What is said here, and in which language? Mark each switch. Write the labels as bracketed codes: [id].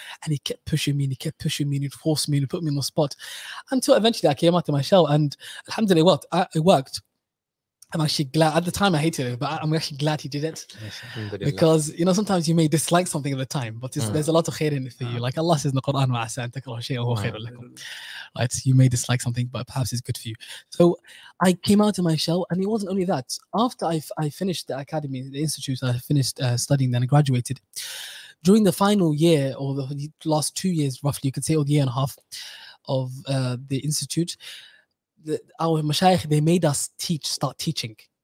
[en] And he kept pushing me and he forced me and he put me on the spot until eventually I came out of my shell and alhamdulillah, it worked. I'm actually glad. At the time, I hated it, but I'm actually glad he did it. Because, you know, sometimes you may dislike something at the time, but there's a lot of khair in it for you. Like Allah says in the Quran, [ar] وَعَسَىٰ أَن تَكْرَهُ شَيْءٍ وَهُوَ خَيْرٌ لَكُمْ. [en] Right? You may dislike something, but perhaps it's good for you. So I came out of my shell, and it wasn't only that. After I finished the academy, the institute, I finished studying, then I graduated. During the final year, or the last 2 years, roughly, you could say, or the year and a half of the institute, our mashayikh, they made us start teaching.